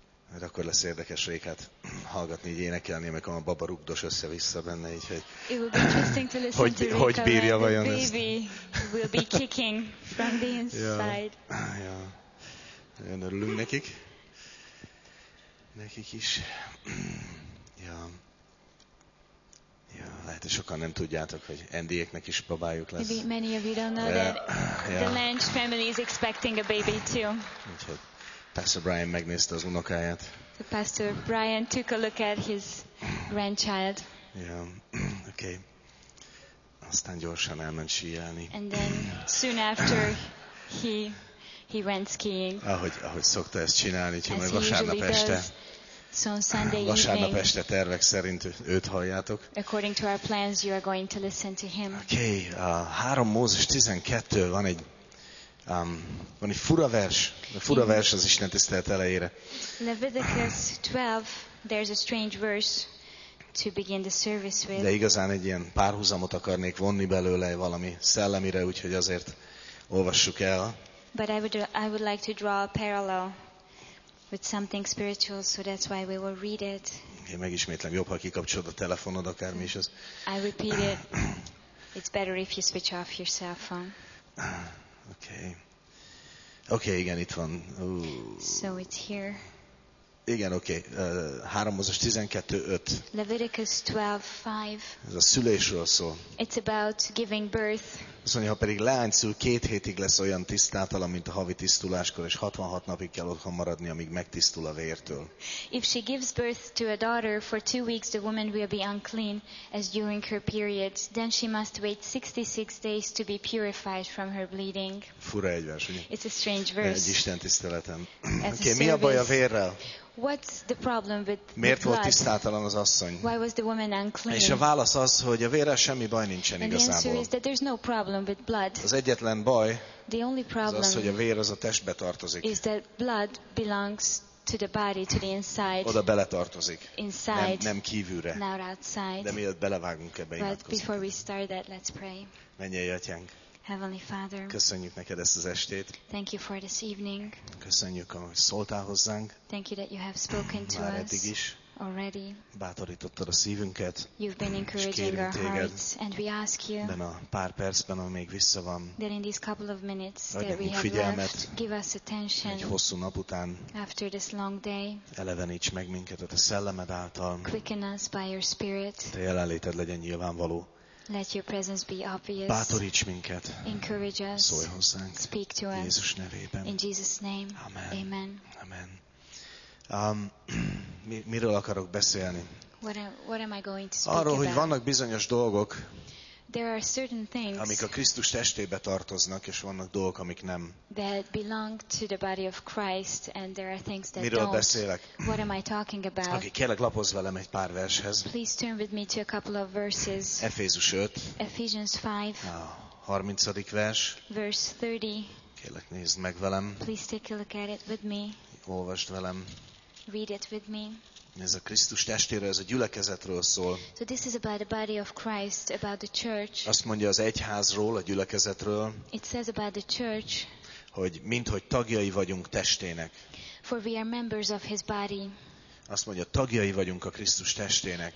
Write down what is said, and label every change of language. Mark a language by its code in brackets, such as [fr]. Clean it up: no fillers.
[hu] Mert akkor lesz érdekes Rékát hallgatni, így énekelni, amikor a baba rugdos össze-vissza benne, így, hogy hogy bírja vajon ezt. [en] Baby will be kicking from the inside. [hu] Ja. Ja. Örülünk nekik. Nekik is. Ja. Ja, lehet, hogy sokan nem tudjátok, hogy Andyéknek is babájuk lesz. [en] Maybe many of you don't know that the Lange family is expecting a baby too. [hu] Úgyhogy Pastor Brian megnézte az unokáját. [en] The Pastor Brian took a look at his grandchild. Yeah, okay. [hu] Aztán gyorsan elment síelni. [en] And then soon after he went skiing. [hu] Ahogy szokta ezt csinálni, hogy majd vasárnap este. [en] So on Sunday evening. [hu] Vasárnap este tervek szerint őt halljátok. [en] According to our plans, you are going to listen to him. [hu] Okay, 3 Mózes 12 van egy. Van egy fura vers, a fura vers az Isten tisztelet elejére. [en] Leviticus 12, there's a strange verse to begin the service with. [hu] De igazán egy ilyen párhuzamot akarnék vonni belőle valami szellemire, úgyhogy azért olvassuk el. [en] But I would like to draw a parallel with something spiritual, so that's why we will read it. [hu] Én megismétlem, jobb, ha kikapcsolod a telefonod, akármi is az. [en] I repeat it. It's better if you switch off your cell phone. [hu] Okay, igen, itt van. [en] So it's here. [hu] Igen, okay. 3 Mózes 12:5. [en] Leviticus 12:5. [hu] Ez a szülésről szól. [en] It's about giving birth. [hu] Azt mondja, ha pedig leány szül, 2 hétig lesz olyan tisztátalan, mint a havi tisztuláskor, és 66 napig kell otthon maradni, amíg megtisztul a vértől. [en] If she gives birth to a daughter, for 2 weeks the woman will be unclean as during her period. Then she must wait 66 days to be purified from her bleeding. [hu] Fura egy vers, ugye? [en] It's a strange verse. [hu] Egy Isten tiszteleten. Oké, mi a baj a vérrel? [en] What's the problem with blood? [hu] Miért volt tisztátalan az asszony? [en] Why was the woman unclean? [hu] És a válasz az, hogy a vérrel semmi baj nincsen igazából. [en] The answer is that there's no problem with blood. [hu] Az egyetlen baj. [en] The only problem [hu] az, hogy a vér az a testbe tartozik. [en] Is that blood belongs to the body, to the inside. [hu] Oda beletartozik. [en] Inside. [hu] Nem kívülre. [en] Not outside. [hu] De mielőtt belevágunk ebbe, imádkozunk. [en] But before we start that, let's pray. [hu] Mennyei Atyánk. [en] Heavenly Father. [hu] Köszönjük neked ezt az estét. [en] Thank you for this evening. [hu] Köszönjük, hogy szóltál hozzánk. [en] Thank you that you have spoken to [hu] us. Már eddig is. [en] Already. [hu] Bátorítottad a szívünket. [en] You've been encouraging our hearts. And we ask you. [hu] Ebben a pár percben, ami még vissza van. [en] That in these couple of minutes that we have left. Give us attention. [hu] Egy hosszú nap után. [en] After this long day. [hu] Eleveníts meg minket a te szellemed által. [en] Quicken us by your spirit. [hu] Te jelenléted legyen nyilvánvaló. [en] Let your presence be obvious. [hu] Bátoríts minket. [en] Encourage us. [hu] Szólj hozzánk. [en] Speak to us. [hu] Jézus nevében. [en] In Jesus' name. [hu] Amen. [en] Amen. [hu] Amen. Miről akarok beszélni? [en] What am I going to speak [hu] arról, [en] about? [hu] Hogy vannak bizonyos dolgok, [en] there are certain things, [hu] amik a Krisztus testébe tartoznak, és vannak dolgok, amik nem. [en] That belong to the body of Christ, and there are things that [hu] miről [en] don't. [hu] Beszélek? [en] What am I talking about? [hu] Okay, kérlek, lapozz velem egy pár vershez. [en] Please turn with me to a couple of verses. [hu] Efézus 5. [en] Ephesians 5. [hu] A 30. vers. [en] Verse 30. [hu] Kérlek, nézd meg velem. [en] Please take a look at it with me. [hu] Olvasd velem. [en] Read it with me. [hu] Ez a Krisztus testéről, ez a gyülekezetről szól. [en] So this is about the body of Christ, about the church. [hu] Azt mondja az egyházról, a gyülekezetről. [en] It says about the church. [hu] Hogy minthogy tagjai vagyunk testének. [en] For we are members of his body. [hu] Azt mondja, tagjai vagyunk a Krisztus testének.